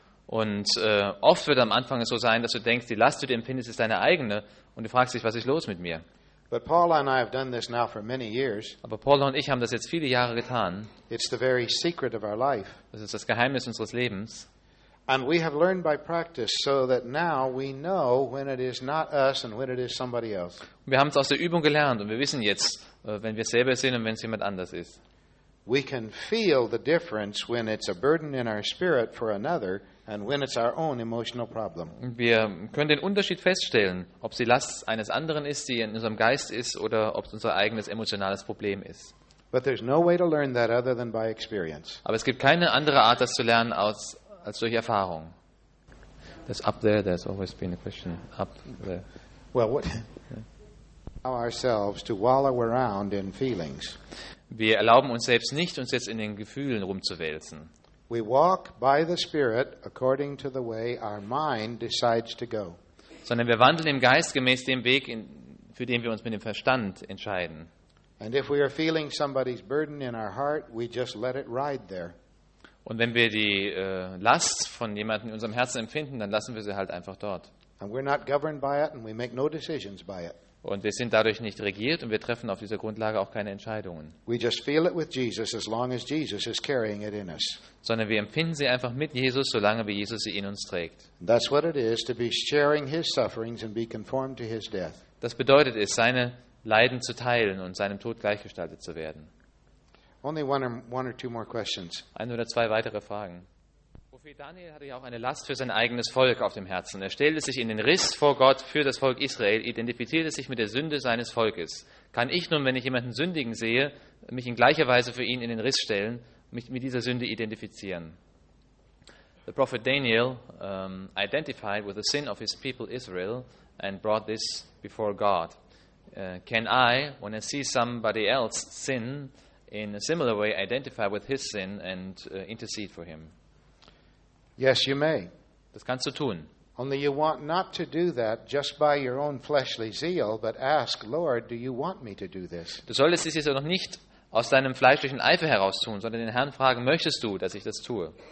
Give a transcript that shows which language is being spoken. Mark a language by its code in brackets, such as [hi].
[de] Und oft wird am Anfang so sein, dass du denkst, die Last, die du empfindest, ist deine eigene und du fragst dich, was ist los mit mir? [en] But Paul and I have done this now for many years. [de] Aber Paul und ich haben das jetzt viele Jahre getan. [en] It's the very secret of our life. [de] Das ist das Geheimnis unseres Lebens. [en] And we have learned by practice so that now we know when it is not us and when it is somebody else. [de] Wir haben es aus der Übung gelernt und wir wissen jetzt, wenn wir selber sind und wenn es jemand anders ist. [en] We can feel the difference when it's a burden in our spirit for another and when it's our own emotional problem. [de] Wir können den Unterschied feststellen, ob sie Last eines anderen ist, die in unserem Geist ist, oder ob es unser eigenes emotionales Problem ist. [en] But there's no way to learn that other than by experience. [de] Aber es gibt keine andere Art, das zu lernen, als durch Erfahrung. [en] There's up there, there's always been a question. Up there. Well, what allow ourselves to wallow around in feelings. [de] Wir erlauben uns selbst nicht, uns jetzt in den Gefühlen rumzuwälzen. [en] We walk by the Spirit according to the way our mind decides to go. [de] Sondern wir wandeln im Geist gemäß dem Weg, für den wir uns mit dem Verstand entscheiden. [en] And if we are feeling somebody's burden in our heart, we just let it ride there. [de] Und wenn wir die Last von jemandem in unserem Herzen empfinden, dann lassen wir sie halt einfach dort. [en] And we're not governed by it and we make no decisions by it. [de] Und wir sind dadurch nicht regiert und wir treffen auf dieser Grundlage auch keine Entscheidungen. [en] We just feel it with Jesus as long as Jesus is carrying it in us. [de] Sondern wir empfinden sie einfach mit Jesus, solange wie Jesus sie in uns trägt. [en] That's what it is to be sharing his sufferings and be conformed to his death. [de] Das bedeutet es, seine Leiden zu teilen und seinem Tod gleichgestaltet zu werden. [en] Only one or two more questions. [de] Ein oder zwei weitere Fragen. Prophet Daniel hatte ja auch eine Last für sein eigenes Volk auf dem Herzen. Er stellte sich in den Riss vor Gott für das Volk Israel, identifizierte sich mit der Sünde seines Volkes. Kann ich nun, wenn ich jemanden sündigen sehe, mich in gleicher Weise für ihn in den Riss stellen, mich mit dieser Sünde identifizieren? [en] The prophet Daniel identified with the sin of his people Israel and brought this before God. Can I, when I see somebody else sin, in a similar way identify with his sin and intercede for him? Yes, you may. [de] Das kannst du tun. [en] Only you want not to do that just by your own fleshly zeal, but ask, Lord, do you want me to do this? [de] Du solltest es jetzt noch nicht aus deinem fleischlichen Eifer heraus tun, sondern den Herrn fragen, möchtest du, dass ich das tue?